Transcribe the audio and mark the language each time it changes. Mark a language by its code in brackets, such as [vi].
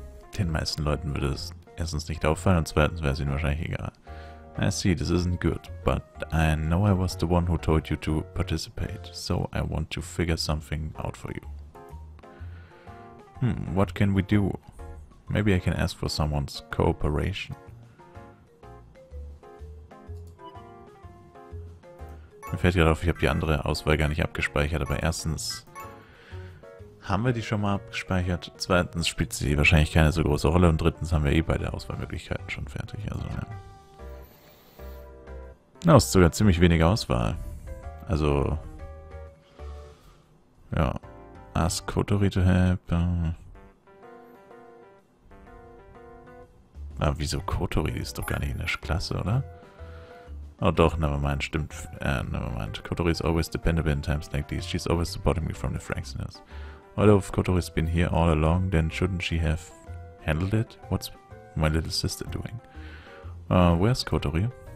[de] Den meisten Leuten würde es erstens nicht auffallen und zweitens wäre es ihnen wahrscheinlich egal. [en] I see, this isn't good, but I know I was the one who told you to participate, so I want to figure something out for you. What can we do? Maybe I can ask for someone's cooperation. [de] Mir fällt gerade auf, ich habe die andere Auswahl gar nicht abgespeichert, aber erstens haben wir die schon mal abgespeichert, zweitens spielt sie wahrscheinlich keine so große Rolle und drittens haben wir eh beide Auswahlmöglichkeiten schon fertig. Also ja. Na, ist sogar ziemlich wenig Auswahl. Also, ja, [en] ask Kotori to help. [de] Ah, wieso Kotori? Die ist doch gar nicht in der Klasse, oder? Oh doch, nevermind, stimmt, nevermind. [en] Kotori is always dependable in times like these. She's always supporting me from the Franksiness. Although if Kotori's been here all along, then shouldn't she have handled it? What's my little sister doing? Where's Kotori?